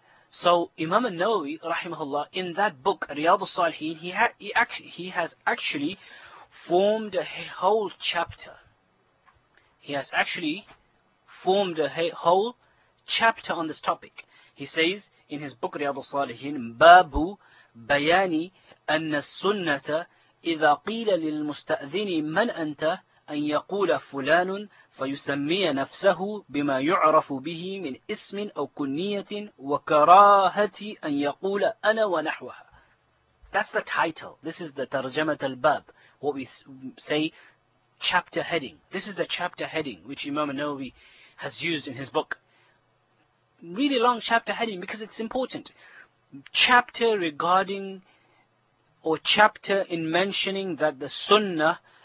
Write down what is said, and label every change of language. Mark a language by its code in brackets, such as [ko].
[en] So Imam al-Nawawi, rahimahullah, in that book, Riyadu Salihin, he has actually formed a whole chapter. He has actually formed a whole chapter on this topic. He says in his book, Riyadu Salihin, [ar] بَابُ بَيَانِ أَنَّ السُّنَّةَ إِذَا قِيلَ لِلْمُسْتَأْذِنِ مَنْ أَنْتَ أَنْ يَقُولَ فُلَانٌ فَيُسَمِّيَ نَفْسَهُ بِمَا يُعْرَفُ بِهِ مِنْ إِسْمٍ أَوْ كُنِّيَةٍ وَكَرَاهَةِ أَنْ يَقُولَ أَنَا وَنَحْوَهَا. [en] That's the title. This is the tarjamat al-bab, what we say, chapter heading. This is the chapter heading which Imam al-Nawawi has used in his book. Really long chapter heading because it's important. Chapter regarding, or chapter in mentioning that the sunnah